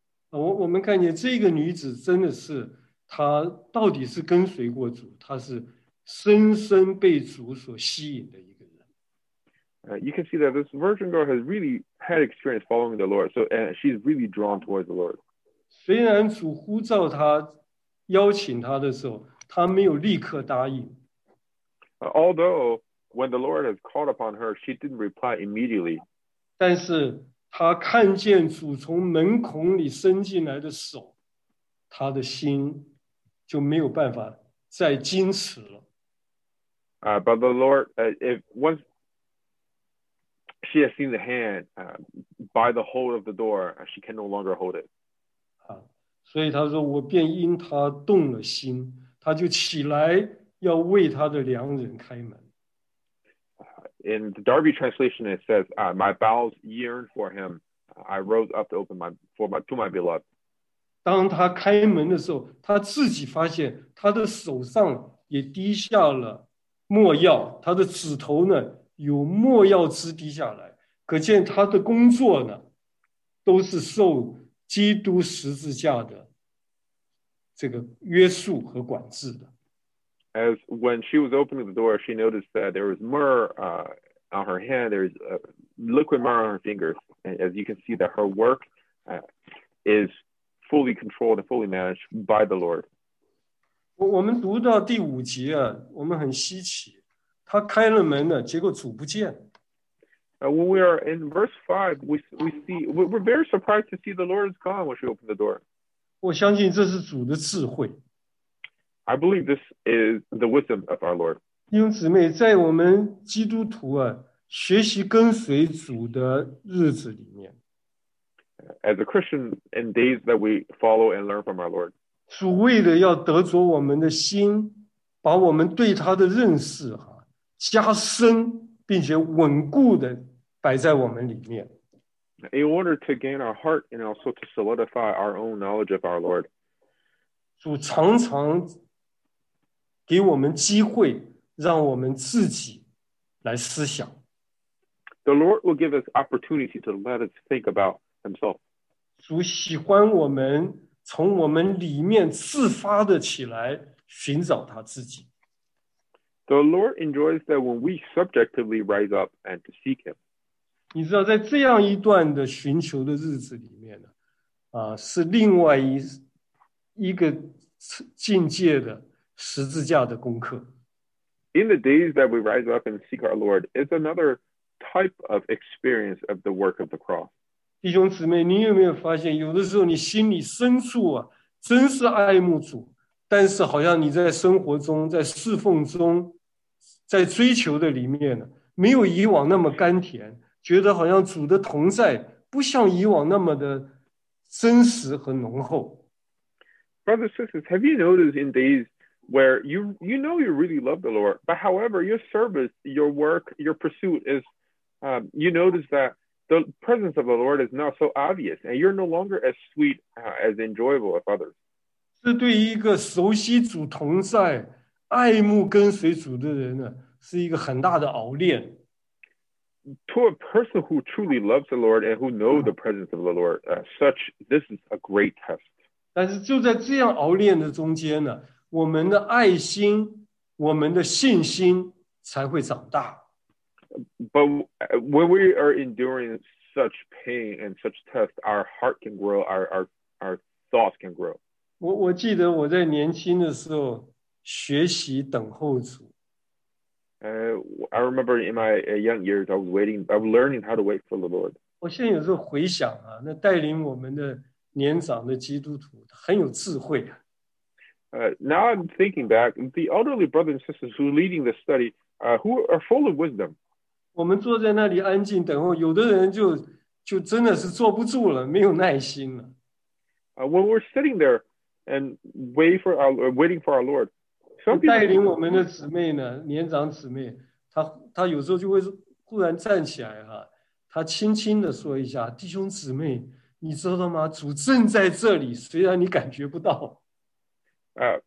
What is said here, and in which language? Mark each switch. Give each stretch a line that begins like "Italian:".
Chinese: 我们看见这个女子真的是她到底是跟随过主，她是。深深被主所吸引的一个人。
English: You can see that this virgin girl has really had experience following the Lord, so she's really drawn towards the Lord.
Chinese: 虽然主呼召她、邀请她的时候，她没有立刻答应。
English: Although when the Lord has called upon her, she didn't reply immediately.
Chinese: 但是她看见主从门孔里伸进来的手，她的心就没有办法再矜持了。
English: But the Lord, if once she has seen the hand by the hold of the door, she can no longer hold it.
Chinese: 所以他说我便因他动了心，他就起来要为他的良人开门。
English: In the Darby translation, it says, "My bowels yearned for him. I rose up to open my beloved."
Chinese: 当他开门的时候，他自己发现他的手上也滴下了。墨药，他的指头呢有墨药汁滴下来，可见他的工作呢都是受基督十字架的这个约束和管制的。
English: As when she was opening the door, she noticed that there was myrrh on her hand. There's liquid myrrh on her fingers, and as you can see, that her work is fully controlled and fully managed by the Lord.
Chinese: 我们读到第五节啊，我们很稀奇，他开了门了，结果主不见。
English: When we are in verse 5, we're very surprised to see the Lord is gone when she opened the door.
Chinese: 我相信这是主的智慧。
English: I believe this is the wisdom of our Lord.
Chinese: 弟兄姊妹，在我们基督徒啊，学习跟随主的日子里面。
English: As a Christian, in days that we follow and learn from our Lord.
Chinese: 主为了要得着我们的心，把我们对他的认识哈加深，并且稳固的摆在我们里面。
English: In order to gain our heart and also to solidify our own knowledge of our Lord,
Chinese: 主常常给我们机会，让我们自己来思想。
English: The Lord will give us opportunity to let us think about Himself.
Chinese: 主喜欢我们。从我们里面自发的起来寻找他自己。
English: The Lord enjoys that when we subjectively rise up and to seek Him.
Chinese: 你知道，在这样一段的寻求的日子里面呢，啊，是另外一个境界的十字架的功课。
English: In the days that we rise up and seek our Lord, it's another type of experience of the work of the cross.
Chinese: 弟兄姊妹，你有没有发现，有的时候你心里深处啊，真是爱慕主，但是好像你在生活中、在侍奉中、在追求的里面呢，没有以往那么甘甜，觉得好像主的同在不像以往那么的真实和浓厚。
English: Brothers, sisters, have you noticed in days where you know you really love the Lord, but however your service, your work, your pursuit is, you notice that the presence of the Lord is not so obvious, and you're no longer as sweet, as enjoyable of others.
Chinese: 是对一个熟悉主同在、爱慕跟随主的人呢，是一个很大的熬炼。
English: To a person who truly loves the Lord and who knows the presence of the Lord, such this is a great test.
Chinese: 但是就在这样熬炼的中间呢，我们的爱心、我们的信心才会长大。
English: But when we are enduring such pain and such test, our heart can grow, our thoughts can grow.
Chinese: 我记得我在年轻的时候学习等候主。
English: I remember in my young years, I was learning how to wait for the Lord.
Chinese: 我现在有时候回想啊，那带领我们的年长的基督徒很有智慧啊。
English: Now I'm thinking back, the elderly brothers and sisters who are leading the study, who are full of wisdom.
Chinese: 我们坐在那里安静等候，有的人就真的是坐不住了，没有耐心了。
English: When we're sitting there and waiting for our Lord.
Chinese: 带领我们的姊妹呢，年长姊妹，她有时候就会忽然站起来哈，她轻轻的说一下：“弟兄姊妹，你知道吗？主正在这里，虽然你感觉不到。”